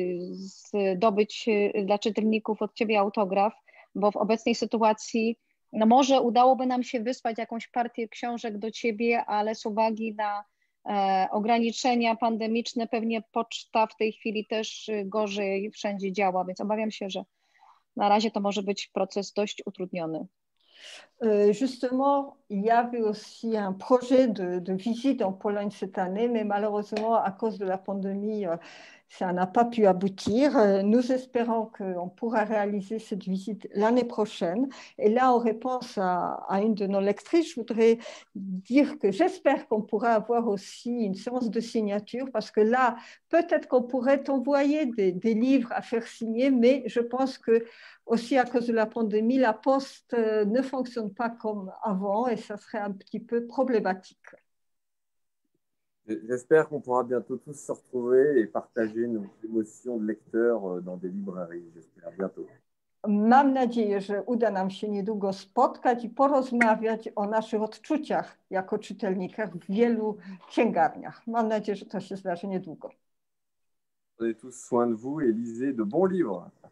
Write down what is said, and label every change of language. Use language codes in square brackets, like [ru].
[pl] zdobyć dla czytelników od ciebie autograf, bo w obecnej sytuacji no może udałoby nam się wysłać jakąś partię książek do ciebie, ale z uwagi na ograniczenia pandemiczne, pewnie poczta w tej chwili też gorzej wszędzie działa, więc obawiam się, że na razie to może być proces dość utrudniony. [fr] Justement, il y avait aussi un projet de visite en Pologne cette année, mais malheureusement, à cause de la pandémie, ça n'a pas pu aboutir. Nous espérons qu'on pourra réaliser cette visite l'année prochaine. Et là, en réponse à une de nos lectrices, je voudrais dire que j'espère qu'on pourra avoir aussi une séance de signature, parce que là, peut-être qu'on pourrait t'envoyer des livres à faire signer, mais je pense que aussi à cause de la pandémie, la poste ne fonctionne pas comme avant et ça serait un petit peu problématique. J'espère qu'on pourra bientôt tous se retrouver et partager nos émotions de lecteurs dans des librairies. J'espère bientôt. [pl] Mam nadzieję, że uda nam się niedługo spotkać i porozmawiać o naszych odczuciach jako czytelnikach w wielu księgarniach. Mam nadzieję, że to się zdarzy niedługo. [fr] Prenez tous soin de vous et lisez de bons livres.